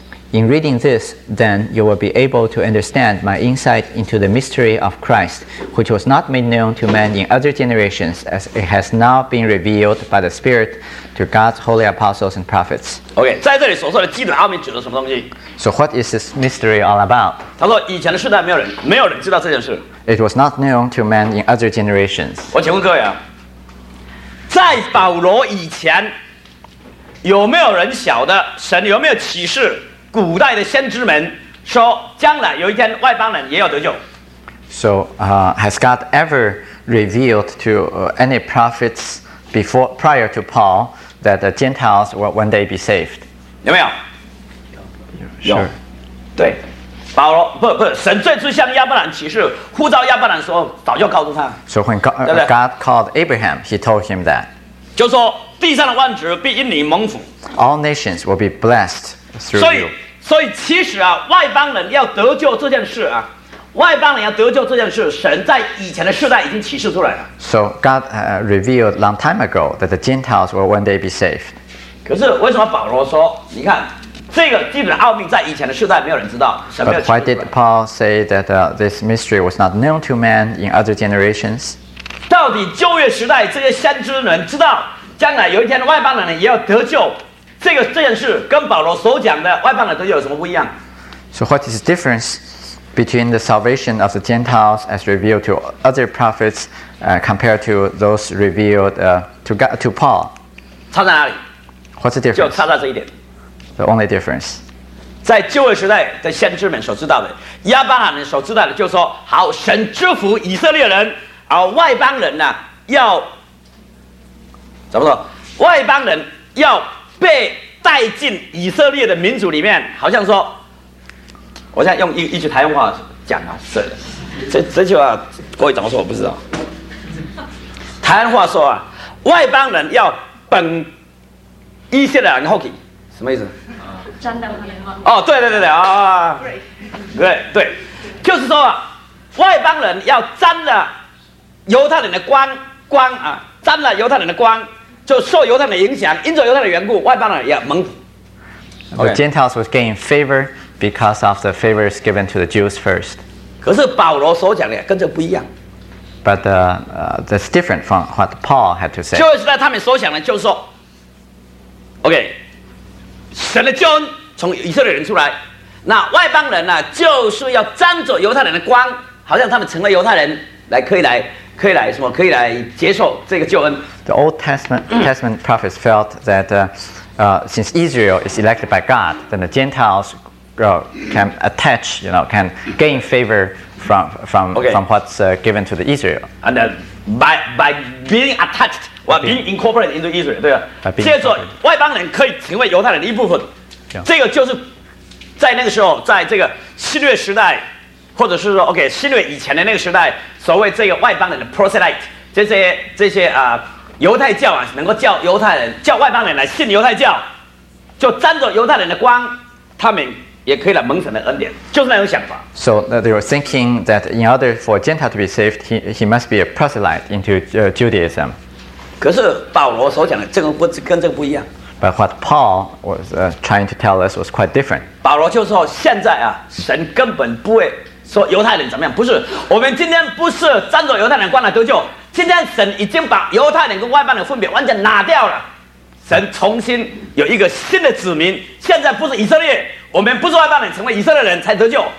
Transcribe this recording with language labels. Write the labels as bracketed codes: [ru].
[en] In reading this, then you will be able to understand my insight into the mystery of Christ, which was not made known to men in other generations, as it has now been revealed by the Spirit to God's holy apostles and prophets. [zh] Okay, 在这里所说的基督奥秘指的什么东西 [en] ？So what is this mystery all about? [zh] 他说以前的世代没有人知道这件事。 It was not known to men in other generations. 我请问各位啊，在保罗以前，有没有人晓得神有没有启示？古代的先知们说，将来有一天外邦人也要得救。 [en] So, has God ever revealed to any prophets prior to Paul that the Gentiles will one day be saved? [zh] 有没有？有。对。保罗不不，神最初向亚伯兰启示，呼召亚伯兰的时候，早就告诉他。 [en] So when God called Abraham, he told him that. [zh] 就说地上的万族必因你蒙福。 [en] All nations will be blessed through you. [zh] 所以其实啊，外邦人要得救这件事啊。外邦人要得救这件事，神在以前的世代已经启示出来了。 [en] So God revealed long time ago that the Gentiles will one day be saved. [zh] 可是为什么保罗说，你看这个基本的奥秘在以前的世代没有人知道，神没有启示出来。 [en] But why did Paul say that this mystery was not known to man in other generations? [zh] 到底旧约时代这些先知人知道，将来有一天外邦人也要得救，这件事跟保罗所讲的外邦人得救有什么不一样？ [en] So what is the difference? Between the salvation of the Gentiles as revealed to other prophets, compared to those revealed to Paul, [zh] 差在哪里？ [en] What's the difference? [zh] 就差在这一点。 [en] The only difference. [zh] 在旧约时代的先知们所知道的，亚伯拉罕所知道的，就是说，好，神祝福以色列人，而外邦人呢，要怎么说？外邦人要被带进以色列的民族里面，好像说。我现在用 一句台湾话讲啊，这句话国语怎么说我不知道。台湾话说啊，外邦人要本以色列人后裔，什么意思？沾到他们吗？哦，对对对对啊，对对，就是说啊，外邦人要沾了犹太人的光啊，沾了犹太人的光，就受犹太人的影响，因着犹太人的缘故，外邦人要蒙福。 [en] The Gentiles was gaining favor. Because of the favors given to the Jews first. [zh] 可是保罗所讲的跟这不一样。 [en] But that's different from what Paul had to say. [zh] 就是在他们所想的，就是说 ，OK， 神的救恩从以色列人出来，那外邦人呢、啊，就是要沾着犹太人的光，好像他们成了犹太人，来可以来。可以来什么？可以来接受这个救恩。 [en] The Old Testament prophets felt that since Israel is elected by God, then the Gentiles. Can attach, you know, can gain favor from what's given to the Israel. And then by being attached, or being incorporated into Israel, [zh] 对吧？接着，外邦人可以成为犹太人的一部分。这个就是在那个时候，在这个新约时代，或者是说 ，OK， 新约以前的那个时代，所谓这个外邦人的 proselyte， 这些犹太教啊，能够叫犹太人，叫外邦人来信犹太教，就沾着犹太人的光，他们。也可以来蒙神的恩典，就是那种想法。 [en] So they were thinking that in order for a Gentile to be saved, he must be a proselyte into Judaism. [zh] 可是保罗所讲的这个不跟这个不一样。 [en] But what Paul was trying to tell us was quite different. [zh] 保罗就说现在啊，神根本不会说犹太人怎么样，不是我们今天不是沾着犹太人光来得救，今天神已经把犹太人跟外邦人分别完全拿掉了。神重新有一个新的子民，现在不是以色列，我们不是外邦人，成为以色列人才得救。